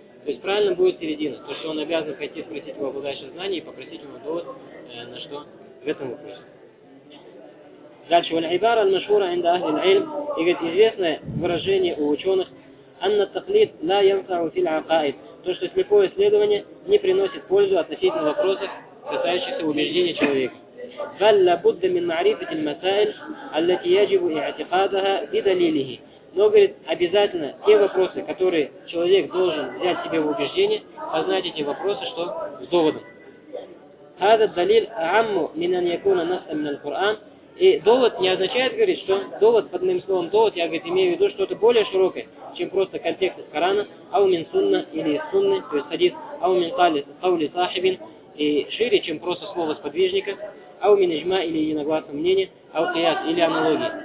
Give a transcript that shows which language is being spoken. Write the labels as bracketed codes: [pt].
[ru] То есть правильно будет середина. То, что он обязан пойти спросить у обладающего знания и попросить ему довод, на что в этом вопросе. Дальше. [ar] «Валь-Ибара аль-Машура инда ахли аль-Ильм» [ru] и говорит, известное выражение у ученых [ar] «Анна тахлит ла янфау филь акаид» [ru] то, что слепое исследование не приносит пользу относительно вопросов, касающихся убеждения человека. [ar] بل لابد من معرفة المسائل التي يجب اعتقادها بدليله. [ru] Но, говорит, обязательно те вопросы, которые человек должен взять себе в убеждение, познать эти вопросы, что с доводом. [ar] هذا الدليل عام من أن يكون نصا من القرآن. [ru] И довод не означает, говорит, что довод, под моим словом довод, я, говорит, имею в виду что-то более широкое, чем просто контекст из Корана, [ar] ау мин сунна [ru] или из сунны, то есть хадис, [ar] ау мин каули сахибин, [ru] и шире, чем просто слово сподвижника. [ar] Ау мин иджма [ru] или единогласное мнение, [ar] ау кияс [ru] или аналогии.